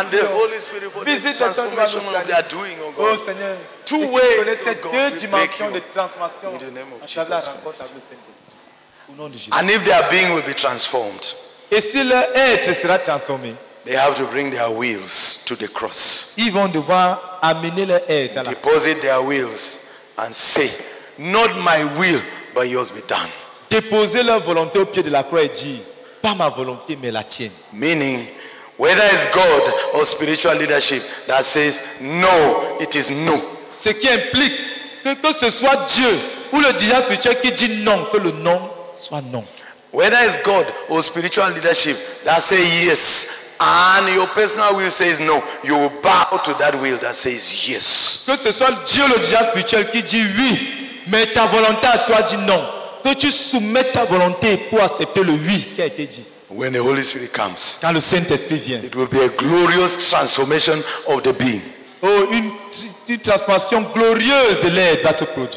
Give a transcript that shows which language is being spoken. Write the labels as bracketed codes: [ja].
[en] And the Holy Spirit for the transformation of their doing, oh God. [fr] Oh Seigneur, [en] two ways. [fr] Que ces deux dimensions de transformation [en] in the name of Jesus. And if their being will be transformed, [fr] et si leur être sera transformé, [en] they have to bring their wills to the cross. [fr] Ils vont devoir amener leur être à la [en] cross. Deposit their wills and say, not my will, but yours be done. [fr] Déposer leur volonté au pied de la croix et dire, pas ma volonté, mais la tienne. [en] Meaning, whether it's God or spiritual leadership that says, no, it is no. [fr] Ce qui implique que ce soit Dieu ou le dirigeant spirituel qui dit non, que le non soit non. [en] Whether it's God or spiritual leadership that says yes, and your personal will says no, you will bow to that will that says yes. [fr] Que ce soit Dieu le dirigeant spirituel qui dit oui, mais ta volonté à toi dit non. Que tu soumettes ta volonté pour accepter le oui qui a été dit. [en] When the Holy Spirit comes, [fr] quand le Saint-Esprit vient, [en] it will be a glorious transformation of the being. [fr] Oh, une transformation glorieuse de l'être va se produire.